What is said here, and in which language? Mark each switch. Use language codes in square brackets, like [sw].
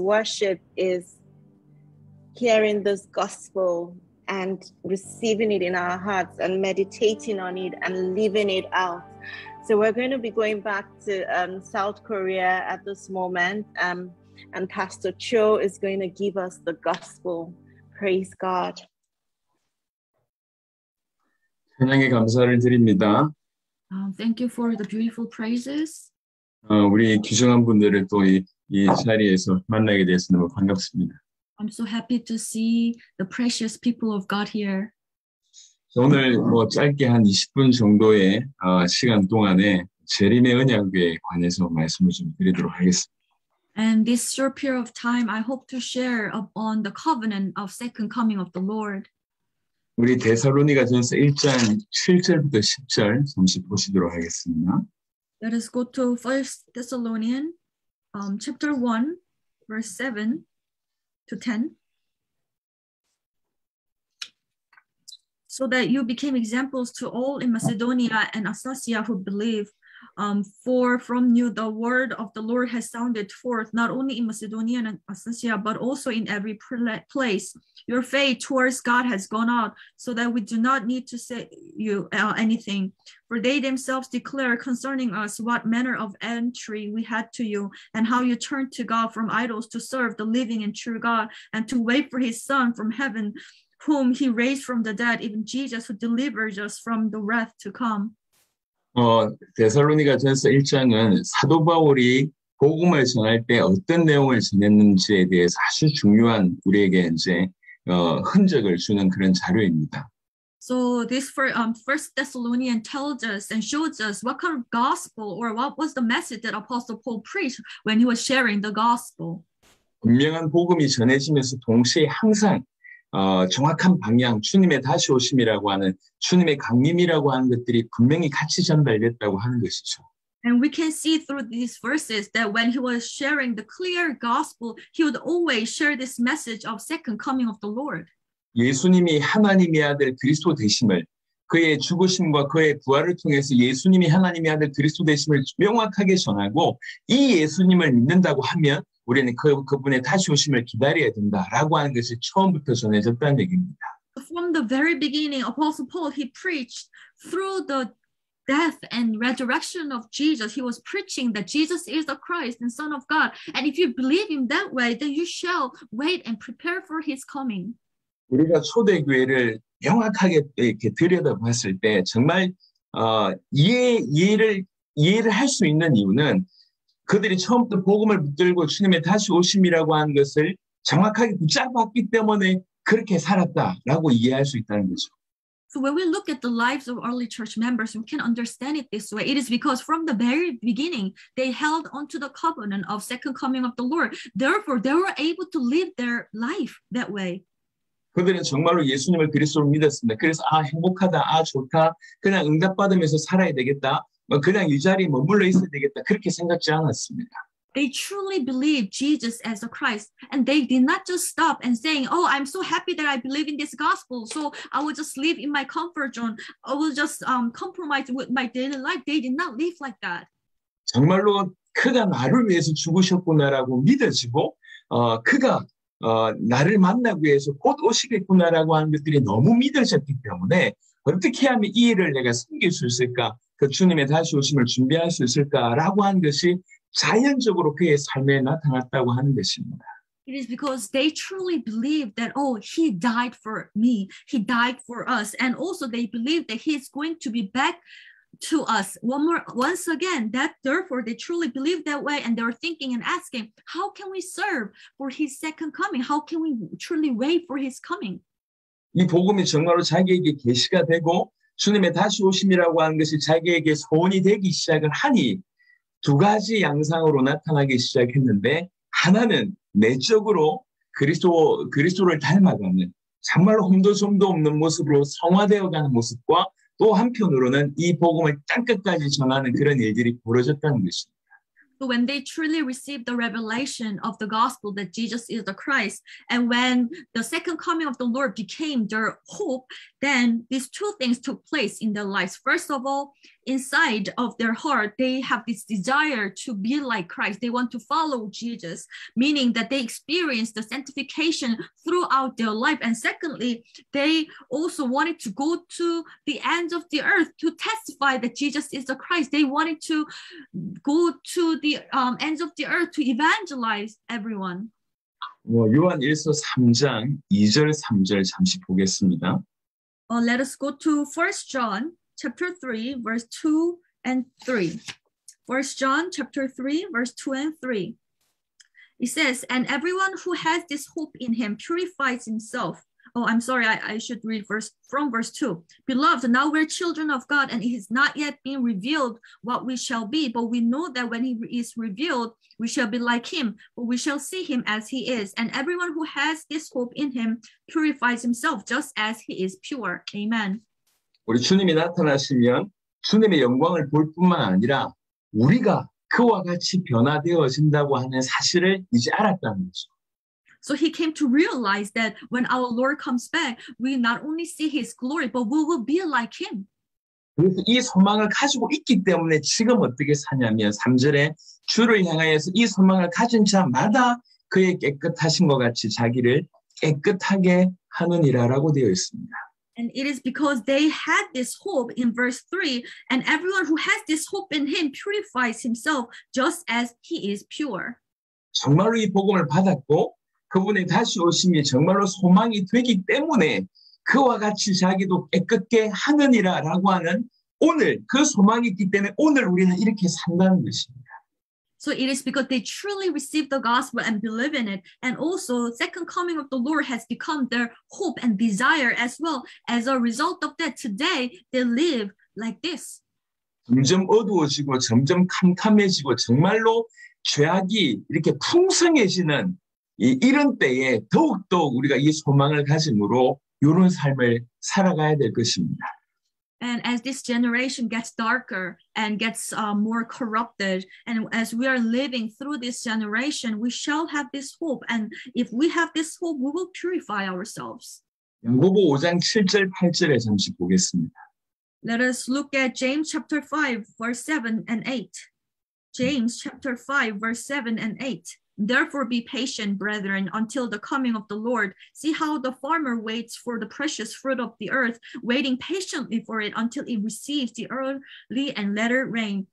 [en] Worship is hearing this gospel and receiving it in our hearts and meditating on it and living it out. So we're going to be going back to South Korea at this moment, and Pastor Cho is going to give us the gospel. Praise God. [ko] 찬양에 감사를 드립니다. [en] Thank you for the beautiful praises. [ko] 우리 귀중한 분들을 또 이 자리에서 만나게 돼서 너무 반갑습니다. [en] I'm so happy to see the precious people of God here. [ko] 오늘 뭐 짧게 한 20분 정도의 시간 동안에 재림의 언약에 관해서 말씀을 좀 드리도록 하겠습니다. [en] And this short period of time, I hope to share upon the covenant of second coming of the Lord. [ko] 우리 데살로니가전서 1장 7절부터 10절 잠시 보시도록 하겠습니다. [en] Let us go to 1 Thessalonians chapter 1, verse 7 to 10. So that you became examples to all in Macedonia and Acaia who believe. For from you the word of the Lord has sounded forth, not only in Macedonia and Acaia, but also in every place. Your faith towards God has gone out, so that we do not need to say you anything. For they themselves declare concerning us what manner of entry we had to you, and how you turned to God from idols to serve the living and true God, and to wait for his Son from heaven, whom he raised from the dead, even Jesus who delivers us from the wrath to come. [ko] 데살로니가전서 1장은 사도 바울이 복음을 전할 때 어떤 내용을 전했는지에 대해서 아주 중요한 우리에게 이제 흔적을 주는 그런 자료입니다. [en] So this first Thessalonian tells us and shows us what kind of gospel or what was the message that Apostle Paul preached when he was sharing the gospel. [ko] 분명한 복음이 전해지면서 동시에 항상 정확한 방향, 주님의 다시 오심이라고 하는 주님의 강림이라고 하는 것들이 분명히 같이 전달됐다고 하는 것이죠. [en] And we can see through these verses that when he was sharing the clear gospel, he would always share this message of second coming of the Lord. [ko] 예수님이 하나님의 아들 그리스도 되심을 그의 죽으심과 그의 부활을 통해서 예수님이 하나님의 아들 그리스도 되심을 명확하게 전하고 이 예수님을 믿는다고 하면 우리는 그분의 다시 오심을 기다려야 된다라고 하는 것이 처음부터 전해졌다는 얘기입니다. [en] From the very beginning, Apostle Paul, he preached through the death and resurrection of Jesus. He was preaching that Jesus is the Christ and Son of God. And if you believe in that way, then you shall wait and prepare for his coming. [ko] 우리가 초대교회를 명확하게 이렇게 들여다봤을 때 정말 이해를 할 수 있는 이유는 그들이 처음부터 복음을 붙들고 주님의 다시 오심이라고 한 것을 정확하게 붙잡았기 때문에 그렇게 살았다라고 이해할 수 있다는 거죠. [en] So when we look at the lives of early church members, we can understand it this way. It is because from the very beginning, they held onto the covenant of second coming of the Lord. Therefore, they were able to live their life that way. [ko] 그들은 정말로 예수님을 그리스도로 믿었습니다. 그래서 행복하다, 좋다, 그냥 응답받으면서 살아야 되겠다. 그냥 이 자리에 머물러 있어야 되겠다 그렇게 생각지 않았습니다. [en] They truly believed Jesus as the Christ and they did not just stop and saying, "Oh, I'm so happy that I believe in this gospel. So, I will just live in my comfort zone. I will just compromise with my daily life." They did not live like that. [ko] 정말로 그가 나를 위해서 죽으셨구나라고 믿어지고 그가 나를 만나기 위해서 곧 오시겠구나라고 하는 것들이 너무 믿어졌기 때문에 어떻게 하면 이 일을 내가 숨길 수 있을까? 그 주님의 다시 오심을 준비할 수 있을까라고 한 것이 자연적으로 그의 삶에 나타났다고 하는 것입니다. [en] It is because they truly believed that, oh, he died for me, he died for us, and also they believed that he is going to be back to us once again. That therefore they truly believed that way, and they were thinking and asking, how can we serve for his second coming? How can we truly wait for his coming? [ko] 이 복음이 정말로 자기에게 계시가 되고 주님의 다시 오심이라고 하는 것이 자기에게 소원이 되기 시작을 하니 두 가지 양상으로 나타나기 시작했는데 하나는 내적으로 그리스도를 닮아가는 정말 혼돈섬도 없는 모습으로 성화되어가는 모습과 또 한편으로는 이 복음을 땅끝까지 전하는 그런 일들이 벌어졌다는 것입니다. [en] So when they truly received the revelation of the gospel that Jesus is the Christ, and when the second coming of the Lord became their hope, then these two things took place in their lives. First of all, inside of their heart, they have this desire to be like Christ. They want to follow Jesus, meaning that they experience the sanctification throughout their life. And secondly, they also wanted to go to the ends of the earth to testify that Jesus is the Christ. They wanted to go to the ends of the earth to evangelize everyone. [ko] 요한 1서 3장 2절 3절 잠시 보겠습니다. [en] Let us go to 1 John. Chapter 3, verse 2 and 3. First John, chapter 3, verse 2 and 3. It says, and everyone who has this hope in him purifies himself. Oh, I'm sorry, I should read verse from verse 2. Beloved, now we're children of God, and it has not yet been revealed what we shall be, but we know that when he is revealed, we shall be like him, but we shall see him as he is. And everyone who has this hope in him purifies himself just as he is pure. Amen. [ko] 우리 주님이 나타나시면 주님의 영광을 볼 뿐만 아니라 우리가 그와 같이 변화되어진다고 하는 사실을 이제 알았다는 거죠. [en] So he came to realize that when our Lord comes back, we not only see his glory, but we will be like him. [ko] 그래서 이 소망을 가지고 있기 때문에 지금 어떻게 사냐면 3절에 주를 향하여서 이 소망을 가진 자마다 그의 깨끗하신 것 같이 자기를 깨끗하게 하느니라라고 되어 있습니다. [en] And it is because they had this hope in verse 3, and everyone who has this hope in him purifies himself just as he is pure. [ko] 정말로 이 복음을 받았고 그분의 다시 오심이 정말로 소망이 되기 때문에 그와 같이 자기도 깨끗게 하느니라라고 하는 오늘 그 소망이 있기 때문에 오늘 우리는 이렇게 산다는 것입니다. [en] So it is because they truly receive the gospel and believe in it. And also, second coming of the Lord has become their hope and desire as well. As a result of that, today, they live like this. [ko] 점점 어두워지고, 점점 캄캄해지고, 정말로 죄악이 이렇게 풍성해지는 이런 때에 더욱더 우리가 이 소망을 가짐으로 이런 삶을 살아가야 될 것입니다. [en] And as this generation gets darker and gets more corrupted, and as we are living through this generation, we shall have this hope. And if we have this hope, we will purify ourselves. [ko] 야고보 5장 7절 8절에 잠시 보겠습니다. [en] Let us look at James chapter 5, verse 7 and 8. James chapter 5, verse 7 and 8. Therefore, be patient, brethren, until the coming of the Lord. See how the farmer waits for the precious fruit of the earth, waiting patiently for it until it receives the early and latter rain.